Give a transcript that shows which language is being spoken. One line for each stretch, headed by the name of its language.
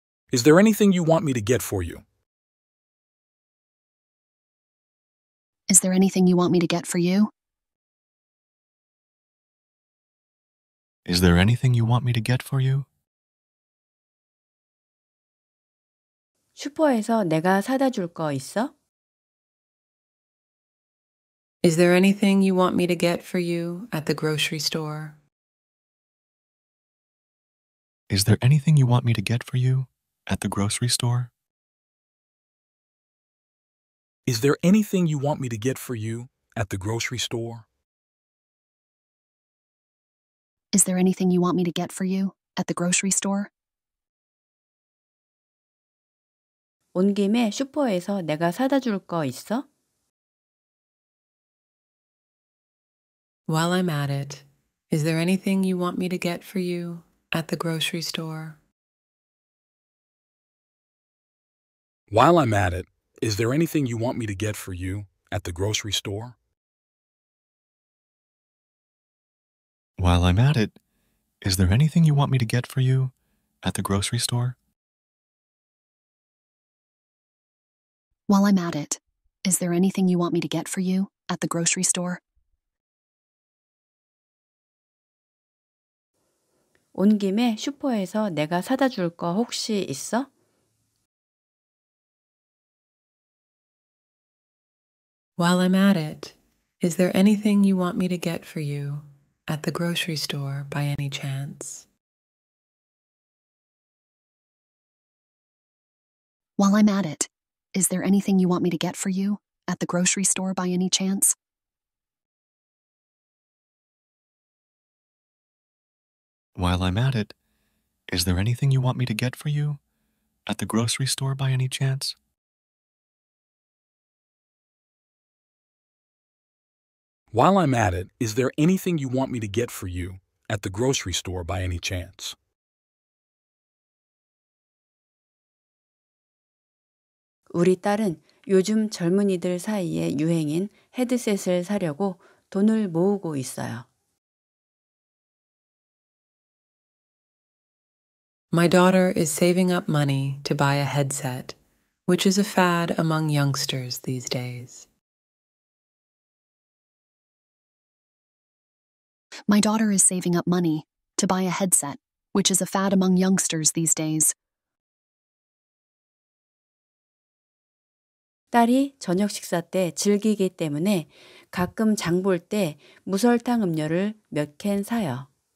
English: Is there anything you want me to get for you? Is there anything you want me to get for you? Is there anything you want me to get for you?
Korean: 슈퍼에서 내가 사다 줄 거 있어?
English: Is there anything you want me to get for you at the grocery store? Is there anything you want me to get for you at the grocery store? Is there anything you want me to get for you at the grocery store? Is there anything you want me to get for you at the grocery store?
Korean: 온 김에 슈퍼에서 내가 사다 줄 거 있어?
English: While I'm at it, is there anything you want me to get for you at the grocery store? While I'm at it, is there anything you want me to get for you at the grocery store? While I'm at it, is there anything you want me to get for you at the grocery store? While I'm at it, is there anything you want me to get for you at the grocery store?
Korean: 온 김에 슈퍼에서 내가 사다 줄 거 혹시 있어?
English: While I'm at it, is there anything you want me to get for you at the grocery store by any chance? While I'm at it, is there anything you want me to get for you at the grocery store by any chance? While I'm at it, is there anything you want me to get for you at the grocery store by any chance? While I'm at it, is there anything you want me to get for you at the grocery store by any chance?
Korean: Our 딸은 요즘 젊은이들 사이에 유행인 헤드셋을 사려고 돈을 모으고 있어요.
English: My daughter is saving up money to buy a headset, which is a fad among youngsters these days. My daughter is saving up money to buy a headset, which is a fad among youngsters these days.
Korean: 딸이 저녁 식사 때 즐기기 때문에 가끔 장 볼 때 무설탕 음료를 몇 캔 사요.